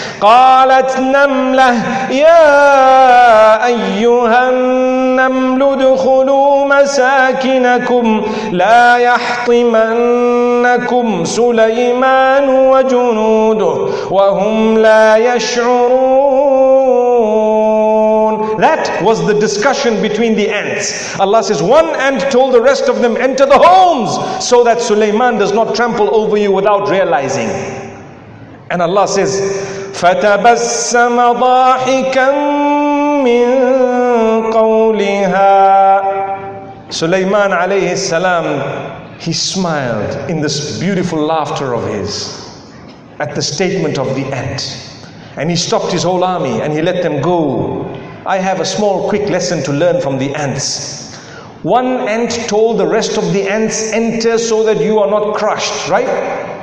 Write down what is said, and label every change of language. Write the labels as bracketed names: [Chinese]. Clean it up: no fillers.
[Arabic] قَالَتْ نَمْلَةْ يَا أَيُّهَا النَّمْلُ دُخُلُوا مَسَاكِنَكُمْ لَا يَحْطِمَنَّكُمْ سليمان وجنوده وهم لا يشعرون. [English] That was the discussion between the ants. Allah says, one ant told the rest of them, enter the homes so that Sulaiman does not trample over you without realizing. And Allah says, [Arabic] فتبسم ضاحكا من قولها. [English] Sulaiman عليه السلام, he smiled in this beautiful laughter of his at the statement of the ant. And he stopped his whole army and he let them go. I have a small quick lesson to learn from the ants. One ant told the rest of the ants, enter so that you are not crushed, right?